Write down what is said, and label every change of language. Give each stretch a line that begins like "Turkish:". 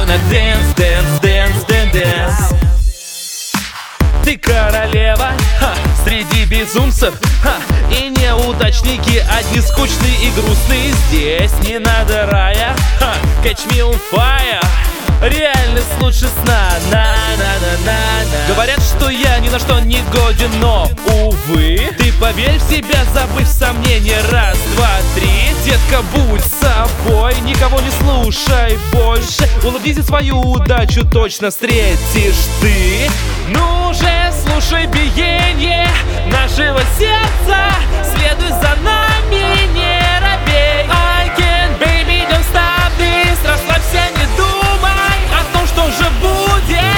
English: Dance, dance, dance, dance, dance.
Russian: Ты королева, ха, среди безумцев, ха, и неудачники, одни скучные и грустные. Здесь не надо рая, ха,
English: catch me on fire.
Russian: Реальность лучше сна, на-на-на-на-на. Говорят, что я ни на что не годен, но, увы. Ты поверь в себя, забыв сомнения, раз, два, три. Детка, будь собой, никого не слушай больше. Улыбнись и свою удачу точно встретишь ты. Ну же, слушай биение нашего сердца. Следуй за нами, не робей.
English: I can, baby, don't stop this.
Russian: Расслабься, не думай о том, что же будет.